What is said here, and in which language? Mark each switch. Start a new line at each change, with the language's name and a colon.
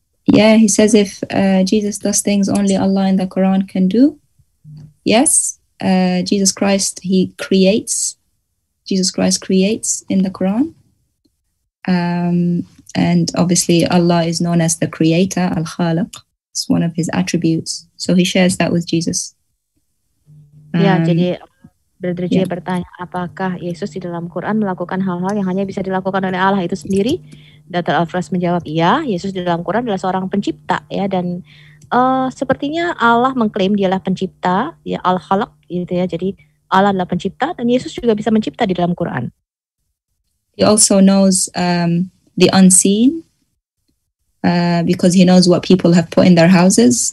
English: Yeah, he says if Jesus does things only Allah in the Quran can do. Yes. Jesus Christ, he creates. Jesus Christ creates in the Quran, and obviously Allah is known as the Creator, Al Khaliq. It's one of his attributes, so he shares that with Jesus.
Indonesian: Ya, jadi Brother Jay bertanya, apakah Yesus di dalam Quran melakukan hal-hal yang hanya bisa dilakukan oleh Allah itu sendiri? Dr. Alfred menjawab, iya. Yesus di dalam Quran adalah seorang pencipta, ya, dan sepertinya Allah mengklaim dialah pencipta, ya, Al Khaliq. Gitu ya, jadi Allah adalah pencipta dan Yesus juga bisa mencipta di dalam Quran.
English: He also knows the unseen because he knows what people have put in their houses.